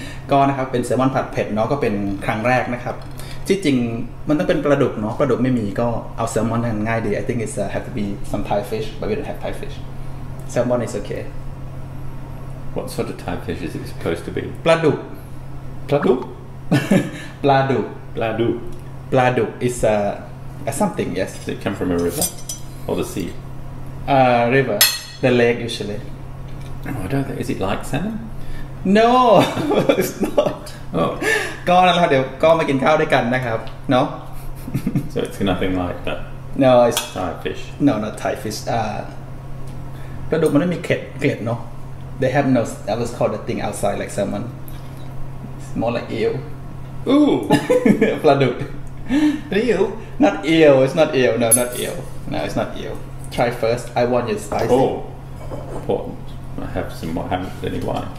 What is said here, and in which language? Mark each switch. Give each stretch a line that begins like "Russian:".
Thai: ก็นะครับเป็นแซลมอนผัดเผ็ดเนาะก็เป็นครั้งแรกนะครับที่จริงมันต้องเป็นปลาดุกเนาะปลาดุกไม่มีก็เอาแซลมอนนั่นง่ายดี I think it's have to be some Thai fish, but we don't have Thai fish.
English: Salmon is okay. What sort of Thai fish is it supposed to be?
Thai: ปลาดุก ปลาดุก ปลาดุก ปลาดุก
English: ปลาดุก is a something yes. Does it come from a river or the sea? River, the lake usually. Oh, I don't think. Is it like salmon? No, it's not. Oh.
Thai: ก็นั่นแหละเดี๋ยวก็มากินข้าวด้วยกันนะครับเนาะ
English: So it's nothing like that. No, it's Thai fish. No, not Thai fish.
Thai: ปลาดุกมันไม่มีเกล็ดเนาะ They have no.
English: That was called a thing outside like salmon. It's more like eel. Ooh,
Thai: ปลาดุก
English: eel? Not eel. It's not eel. No, not eel. No, it's not eel. Try first. I want your spicy. Oh, important. I have some more. Haven't had any wine.